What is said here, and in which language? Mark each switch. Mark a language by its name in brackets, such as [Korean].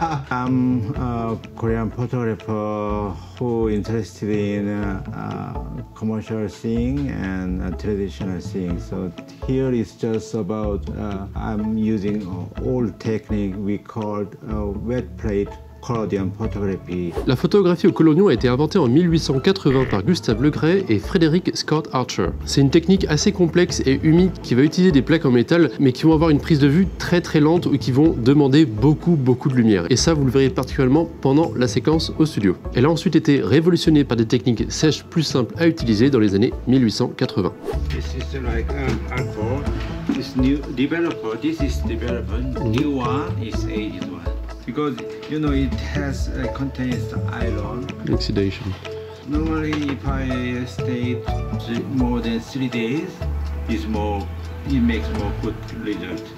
[English] I'm a Korean photographer who interested in commercial scene and traditional scene. So here is just about I'm using old technique we called wet plate collodion photography. [French] La photographie au collodion a été inventée en 1880 par Gustave Legray et Frédéric Scott Archer. C'est une technique assez complexe et humide qui va utiliser des plaques en métal mais qui vont avoir une prise de vue très très lente ou qui vont demander beaucoup beaucoup de lumière. Et ça vous le verrez particulièrement pendant la séquence au studio. Elle a ensuite été révolutionnée par des techniques sèches plus simples à utiliser dans les années 1880. [English] This is like this new developer, this is developer, new one is aged one. Because, you know, it has contains iron. Oxidation. Normally, if I stay more than 3 days, it's more, it makes more good result.